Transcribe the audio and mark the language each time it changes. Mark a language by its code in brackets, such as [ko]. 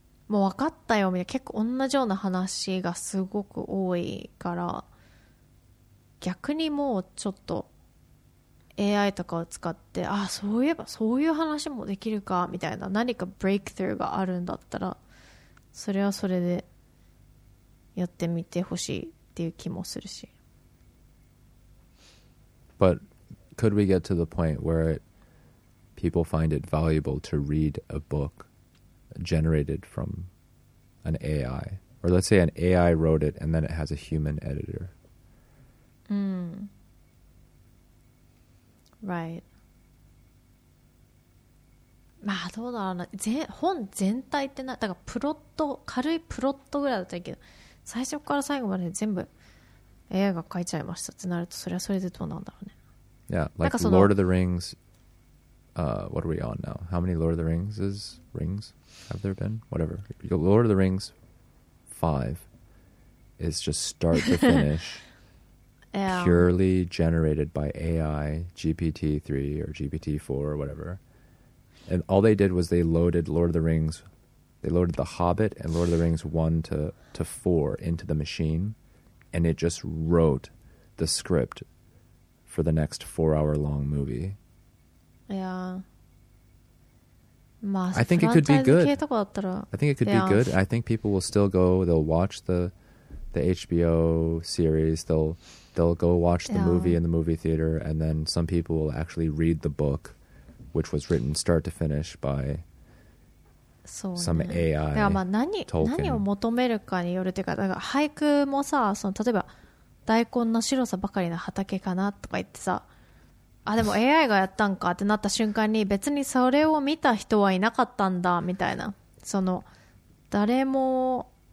[ja] う分かったよみたいな、結構同じような話がすごく多いから、逆にもうちょっとAI とかを使って、あ、そういえばそういう話もできるかみたいな、何かブレイクスルーがあるんだったら、それはそれでやってみてほしいっていう気もするし。 [en] But could we get to the point where people find it valuable to read a book generated from an AI? Or let's say an AI wrote it and then it has a human editor. Right. [ja] まあどうだろうな、本全体ってな、だからプロット軽いプロットぐらいだったけど、最初から最後まで全部 AI が書いちゃいましたってなると、それはそれでどうなんだろうね。 [en] Yeah, like Lord of the Rings. What are we on now? How many Lord of the Rings is rings have there been? Whatever. Lord of the Rings 5 is just start to finish. Yeah. Purely generated by AI, GPT-3 or GPT-4 or whatever. And all they did was they loaded Lord of the Rings, they loaded The Hobbit and Lord of the Rings 1 to 4 into the machine, and it just wrote the script for the next 4-hour long movie. Yeah. I think it could be good. I think it could be good. I think people will still go, they'll watch the HBO series, they'll go watch the movie in the movie theater, and then some people will actually read the book, which was written start to finish by some AI. [ja] だからまあ何を求めるかによるというか、だから俳句もさ、その例えば大根の白さばかりの畑かなとか言ってさ、あ、でも AI がやったんかってなった瞬間に、別にそれを見た人はいなかったんだみたいな、その誰も